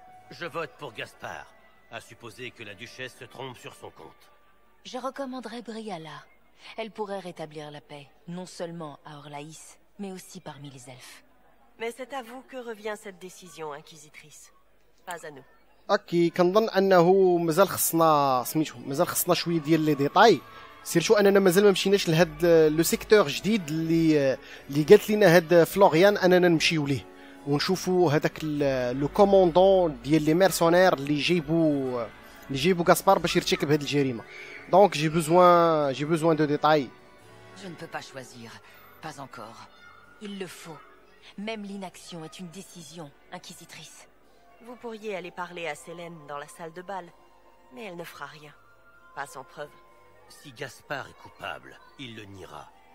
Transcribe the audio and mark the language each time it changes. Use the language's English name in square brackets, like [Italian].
[French] Je vote pour Gaspard, à supposer que la Duchesse se trompe sur son compte. Je recommanderais Briala. Elle pourrait rétablir la paix, non seulement à Orlaïs, mais aussi parmi les elfes. Mais c'est à vous que revient cette décision, Inquisitrice. Pas à nous. [Arabic] Ok, كنظن انه مازال خصنا سميتو مازال خصنا شويه ديال لي ديطاي سيرتو اننا مازال ما مشيناش لهاد لو سيكتور جديد اللي قالت لنا هاد فلوريان اننا نمشيو ليه ونشوفو هذاك لو كوموندون ديال لي مرسونير اللي جيبو غاسبار باش يرتكب هاد الجريمه دونك [French] جي بيزوين دو ديطاي je ne peux pas choisir pas encore il le faut même l'inaction est une décision inquisitrice Vous pourriez aller parler à Selene dans la salle de bal, mais elle ne fera rien. Pas sans preuve. Si Gaspard est coupable, il le niera.